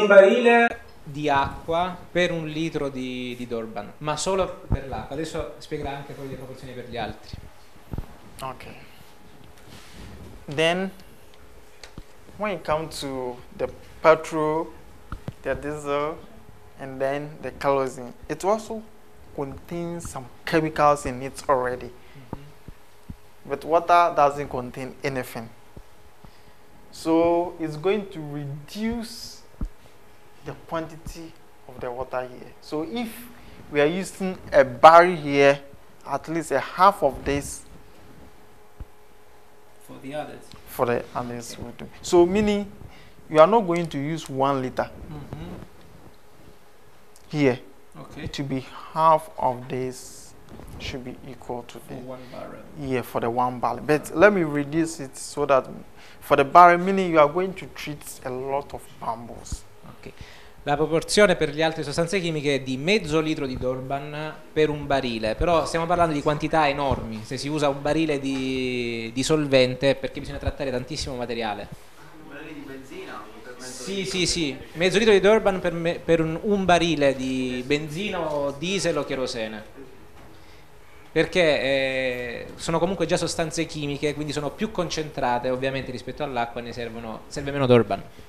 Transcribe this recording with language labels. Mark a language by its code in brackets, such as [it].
[it] Un barile di acqua per 1 litro di Durban, ma solo per l'acqua. Adesso spiegherà anche poi le proporzioni per gli altri. Ok. [en] Then, when it comes to the petrol, the diesel, and then the kerosene, it also contains some chemicals in it already. Mm-hmm. But water doesn't contain anything. So it's going to reduce the quantity of the water here. So if we are using a barrel here, at least a half of this for the others. For the others, okay. Would do. So meaning you are not going to use 1 liter. Mm-hmm. Here. Okay. To be half of this should be equal to for 1 barrel. Yeah, for the 1 barrel. But let me reduce it so that for the barrel, meaning you are going to treat a lot of bamboos. [it] La proporzione per le altre sostanze chimiche è di 0,5 litro di Durban per 1 barile, però stiamo parlando di quantità enormi, se si usa 1 barile di solvente, perché bisogna trattare tantissimo materiale. 1 barile di benzina? Sì, 0,5 litro di Durban per un barile di benzina o diesel o cherosene, perché sono comunque già sostanze chimiche, quindi sono più concentrate ovviamente rispetto all'acqua, ne serve meno Durban.